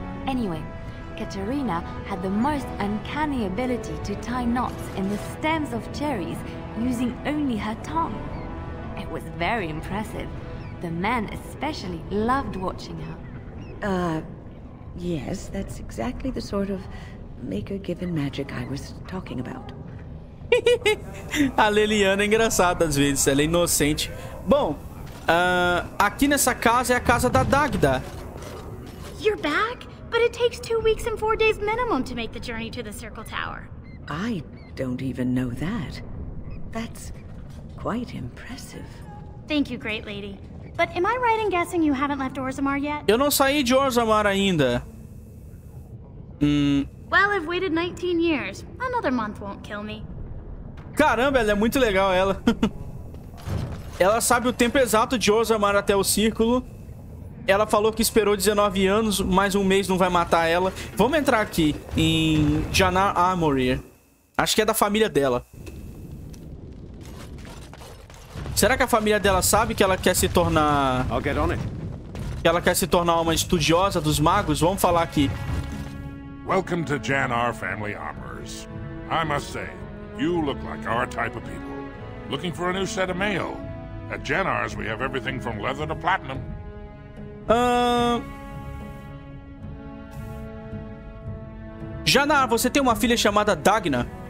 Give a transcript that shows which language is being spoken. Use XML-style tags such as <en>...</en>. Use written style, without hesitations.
<en>Anyway, Katerina had the most uncanny ability to tie knots in the stems of cherries using only her tongue. It was very impressive. The men especially loved watching her. Yes, that's exactly the sort of maker-given magic I was talking about.</en> <pt>A Liliana é engraçada às vezes, ela é inocente. Bom, aqui nessa casa é a casa da Dagda.</pt> <en>You're back? But it takes 2 weeks and 4 days minimum to make the journey to the Circle Tower. I don't even know that. That's quite impressive. Thank you, great lady. But am I right in guessing you haven't left Orzammar yet?</en> <pt>Eu não saí de Orzammar ainda.</pt> <en>Well, I've waited 19 years. Another month won't kill me.</en> <pt>Caramba, ela é muito legal, ela. Ela sabe o tempo exato de Orzammar até o Círculo. Ela falou que esperou 19 anos, mais um mês não vai matar ela. Vamos entrar aqui em Janar Armory. Acho que é da família dela. Será que a família dela sabe que ela quer se tornar...</pt> <en>I'll get on it.</en> <pt>Que ela quer se tornar uma estudiosa dos magos? Vamos falar aqui.</pt> <en>Welcome to Janar Family Armors. I must say, you look like our type of people. Looking for a new set of mail. At Janar's, we have everything from leather to platinum.</en> <pt>Janar, você tem uma filha chamada Dagna?</pt>